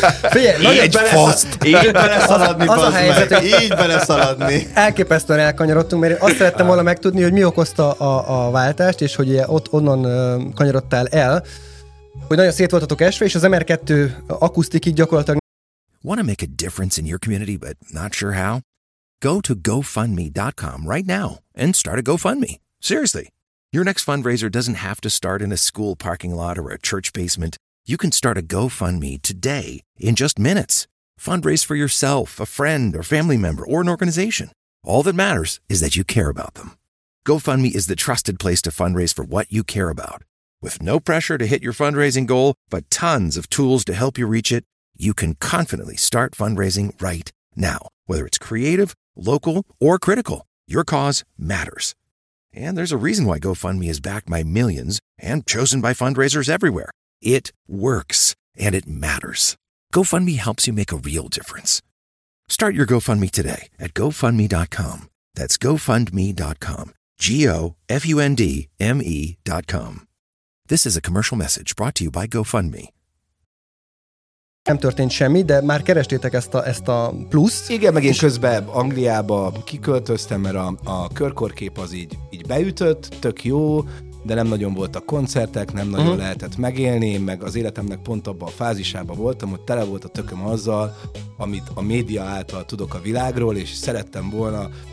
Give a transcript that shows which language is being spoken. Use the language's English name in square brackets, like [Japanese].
[Hungarian] Figyelj, így faszt! Így beleszaladni, bazd meg! Így beleszaladni! Elképesztően elkanyarodtunk, mert azt szerettem volna megtudni, hogy mi okozta a váltást, és hogy ott onnan kanyarodtál el, hogy nagyon szét voltatok esve, és az MR2 akusztik így gyakorlatilag... [English] Want to make a difference in your community, but not sure how? Go to GoFundMe.com right now and start a GoFundMe. Seriously, your next fundraiser doesn't have to start in a school parking lot or a church basement. You can start a GoFundMe today in just minutes. Fundraise for yourself, a friend, or family member, or an organization. All that matters is that you care about them. GoFundMe is the trusted place to fundraise for what you care about. With no pressure to hit your fundraising goal, but tons of tools to help you reach it, you can confidently start fundraising right now. Whether it's creative, local, or critical, your cause matters. And there's a reason why GoFundMe is backed by millions and chosen by fundraisers everywhere. It works, and it matters. GoFundMe helps you make a real difference. Start your GoFundMe today at GoFundMe.com. That's GoFundMe.com. GoFundMe.com. This is a commercial message brought to you by GoFundMe. [Hungarian] Nem történt semmi, de már kerestétek ezt a pluszt. Igen, meg én közben Angliába kiköltöztem, mert a körkorkép az így beütött, tök jó, de nem nagyon voltak koncertek, nem nagyon lehetett megélni, meg az életemnek pont abban a fázisában voltam, hogy tele volt a tököm azzal, amit a média által tudok a világról, és szerettem volna